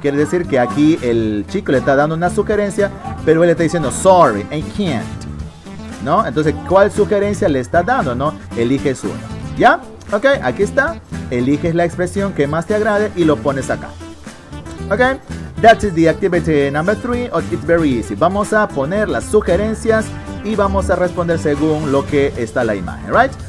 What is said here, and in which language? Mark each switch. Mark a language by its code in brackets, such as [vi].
[es] Quiere decir que aquí el chico le está dando una sugerencia, pero él está diciendo, [en] sorry, I can't, [es] ¿no? Entonces, ¿cuál sugerencia le está dando, no? Eliges uno. ¿Ya? Ok, aquí está. Eliges la expresión que más te agrade y lo pones acá. Okay, [en] That is the activity number 3, or it's very easy. [es] Vamos a poner las sugerencias y vamos a responder según lo que está la imagen, right?